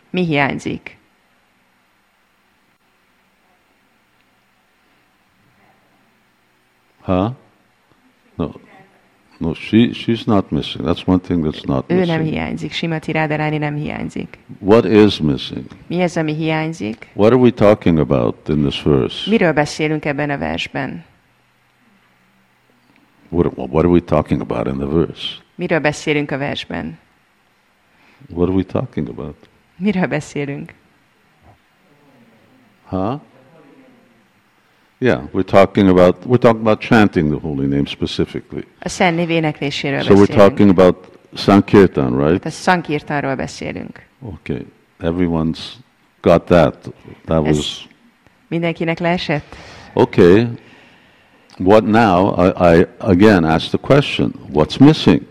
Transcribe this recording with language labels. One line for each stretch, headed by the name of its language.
Hungarian: Mi hiányzik? Huh?
English: No, she's not missing. That's one thing that's not missing.
Hungarian: Ő nem hiányzik. Srimati Radharani nem hiányzik.
English: What is missing?
Hungarian: Mi az, ami hiányzik?
English: What are we talking about in this verse?
Hungarian: Miről beszélünk ebben a versben?
English: What are we talking about in the verse?
Hungarian: Miről beszélünk a versben?
English: What are we talking about?
Hungarian: Miről beszélünk? Huh?
English: Yeah, we're talking about chanting the holy name specifically.
Hungarian: A szent név énekléséről beszélünk.
English: So we're talking about sankirtan, right?
Hungarian: A sankirtanról beszélünk.
English: Okay, everyone's got that. That was.
Hungarian: Mindenkinek leesett.
English: Okay, what now? I again ask the question: what's missing?